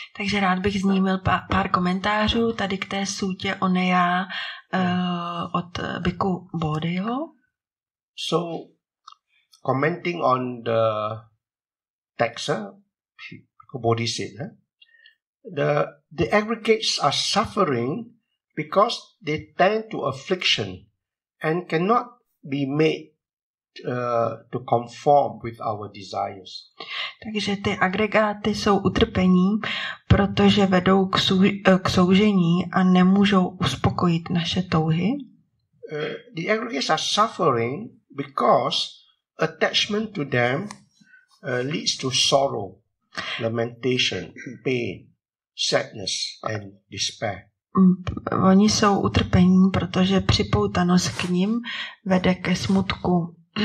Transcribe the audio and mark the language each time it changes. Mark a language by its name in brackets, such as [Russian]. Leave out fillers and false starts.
[Czech] Takže rád bych zmínil pár komentářů tady k té sutě Onejá od Bhikkhu Bodhiho. [English] So commenting on the text, Bhikkhu Bodhi said, the aggregates are suffering because they tend to affliction and cannot be made to conform with our desires. [Czech] Takže ty agregáty jsou utrpení, protože vedou k soužení a nemůžou uspokojit naše touhy. [English] The aggregates are suffering because attachment to them leads to sorrow, lamentation, pain, sadness and despair. [Czech] Oni jsou utrpení, protože připoutanost k ním vede ke smutku.